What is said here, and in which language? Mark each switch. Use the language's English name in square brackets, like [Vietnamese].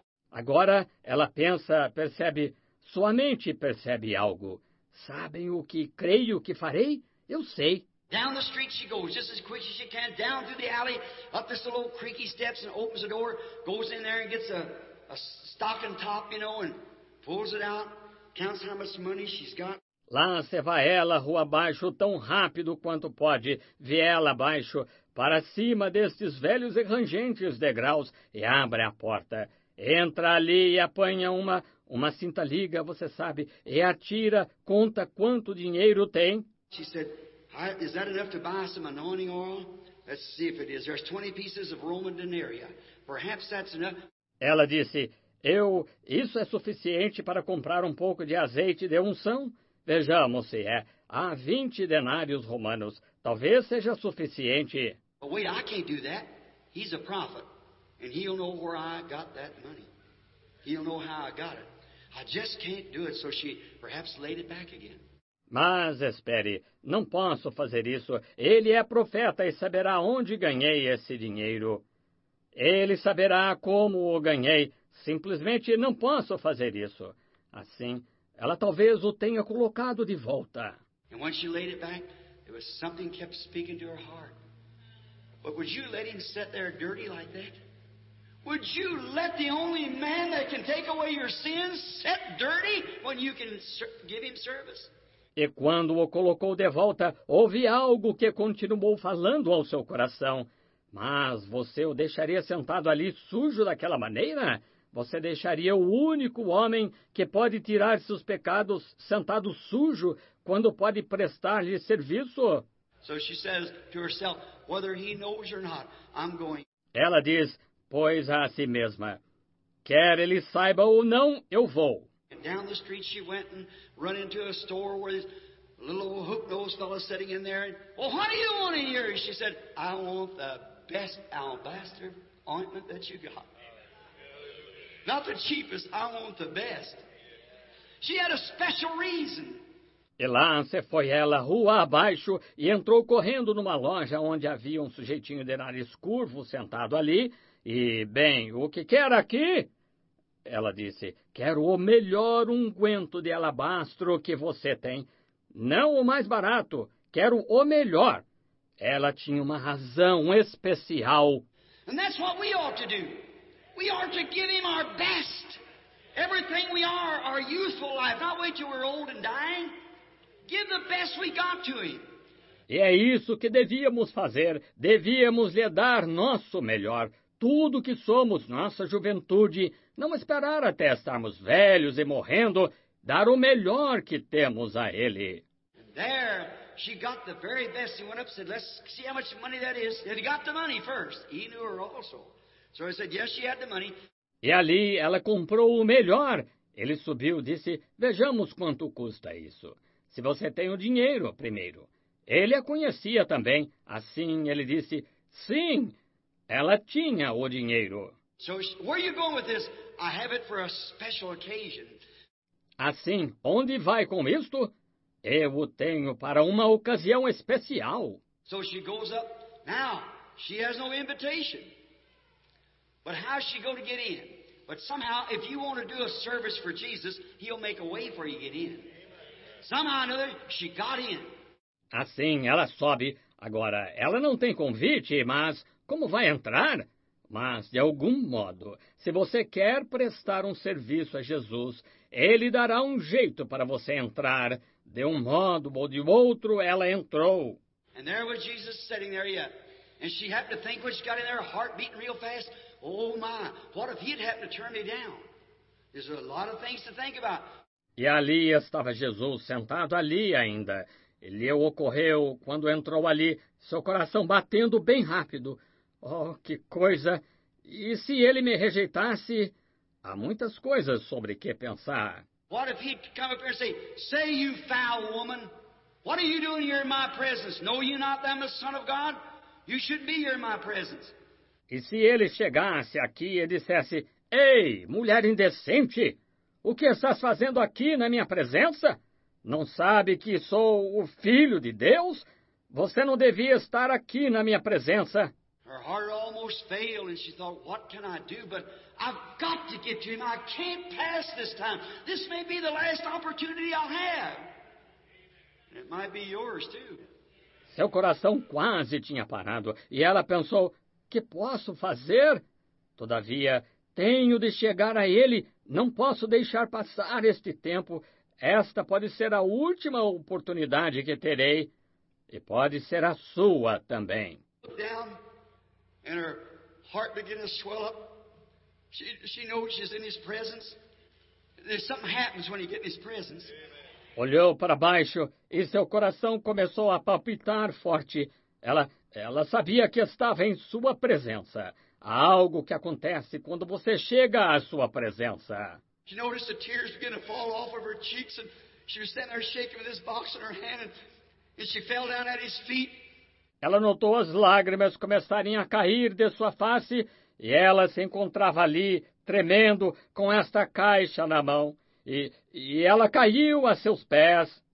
[Portuguese] Agora ela pensa, percebe, sua mente percebe algo. Sabem o que creio que farei? Eu sei. [English] Down the street she goes, just as quick as she can, down through the alley, up this little creaky steps and opens the door, goes in there and gets a stocking top, you know, and pulls it out, counts how much money she's got. [Portuguese] Lá se vai ela, rua abaixo, tão rápido quanto pode, viela abaixo, para cima destes velhos e rangentes degraus, e abre a porta. Entra ali e apanha uma cinta liga, você sabe, e atira, conta quanto dinheiro tem. [English] She said, is that enough to buy some anointing oil? Let's see if it is. There's 20 pieces of Roman denaria. Perhaps that's enough. [Portuguese] Ela disse, isso é suficiente para comprar um pouco de azeite de unção? Vejamos se é. Há 20 denários romanos. Talvez seja suficiente. [English] But wait, I can't do that. He's a prophet. And he'll know where I got that money. He'll know how I got it. I just can't do it, so she perhaps laid it back again. [Portuguese] Mas espere, não posso fazer isso. Ele é profeta e saberá onde ganhei esse dinheiro. Ele saberá como o ganhei. Simplesmente não posso fazer isso. Assim, ela talvez o tenha colocado de volta. [English] And when she laid it back, there was something kept speaking to her heart. But would you let him sit there dirty like that? Would you let the only man that can take away your sins sit dirty when you can give him service? [Portuguese] E quando o colocou de volta, houve algo que continuou falando ao seu coração. Mas você o deixaria sentado ali sujo daquela maneira? Você deixaria o único homem que pode tirar seus pecados sentado sujo quando pode prestar-lhe serviço? [English] So she says to herself, whether he knows or not, I'm going. [Portuguese] Ela diz, pois a si mesma, quer ele saiba ou não, eu vou. [English] And down the street she went and run into a store where this little hook-nosed fellow sitting in there. And, well, what do you want in here? She said, I want the best alabaster ointment that you got. Not the cheapest, I want the best. She had a special reason. [Portuguese] E lá se foi ela, rua abaixo, e entrou correndo numa loja onde havia um sujeitinho de nariz curvo sentado ali. E, bem, o que quer aqui? Ela disse, quero o melhor unguento de alabastro que você tem. Não o mais barato, quero o melhor. Ela tinha uma razão especial. [English] And that's what we ought to do. We are to give him our best. Everything we are, our youthful life. Not wait till we're old and dying. Give the best we got to him. [Portuguese] E é isso que devíamos fazer. Devíamos lhe dar nosso melhor. Tudo que somos, nossa juventude, não esperar até estarmos velhos e morrendo, dar o melhor que temos a ele. [English] There, she got the very best. He went up and said, let's see how much money that is. And he got the money first. He knew her also. So he said, yes, she had the money. [Portuguese] E ali ela comprou o melhor. Ele subiu e disse, vejamos quanto custa isso. Se você tem o dinheiro, primeiro. Ele a conhecia também. Assim ele disse, sim. Ela tinha o dinheiro. [English] So, where are you going with this? I have it for a special occasion. [Portuguese] Assim, onde vai com isto? Eu o tenho para uma ocasião especial. [English] So she goes up. Now, she has no invitation. But how is she going to get in? But somehow, if you want to do a service for Jesus, he'll make a way for you to get in. Somehow or another, she got in. [Portuguese] Assim, ela sobe. Agora, ela não tem convite, mas como vai entrar? Mas, de algum modo, se você quer prestar um serviço a Jesus, ele dará um jeito para você entrar. De um modo ou de outro, ela entrou. [English] And there was Jesus sitting there, yeah. And she happened to think what she got in there, her heart beating real fast. Oh my, what if he'd happened to turn me down? There's a lot of things to think about. [Portuguese] E ali estava Jesus sentado ali ainda. E lhe ocorreu, quando entrou ali, seu coração batendo bem rápido. Oh, que coisa! E se ele me rejeitasse? Há muitas coisas sobre que pensar. [English] What if he'd come up here and say, "Say, you foul woman, what are you doing here in my presence? Know you not that I'm the Son of God? You shouldn't be here in my presence." [Portuguese] E se ele chegasse aqui e dissesse, "Ei, mulher indecente, o que estás fazendo aqui na minha presença? Não sabe que sou o Filho de Deus? Você não devia estar aqui na minha presença." [English] Her heart almost failed and she thought, "What can I do? But I've got to get to him. I can't pass this time. This may be the last opportunity I'll have. And it might be yours too." [Portuguese] Seu coração quase tinha parado e ela pensou, "Que posso fazer? Todavia, tenho de chegar a ele. Não posso deixar passar este tempo. Esta pode ser a última oportunidade que terei e pode ser a sua também." [English] And her heart began to swell up. She knows she's in his presence. There's something happens when you get in his presence. [Portuguese] Olhou para baixo e seu coração começou a palpitar forte. Ela sabia que estava em sua presença. Há algo que acontece quando você chega à sua presença. [English] She noticed the tears began to fall off of her cheeks and she was standing there shaking with this box in her hand and she fell down at his feet. [Portuguese] Ela notou as lágrimas começarem a cair de sua face e ela se encontrava ali, tremendo, com esta caixa na mão. E ela caiu a seus pés.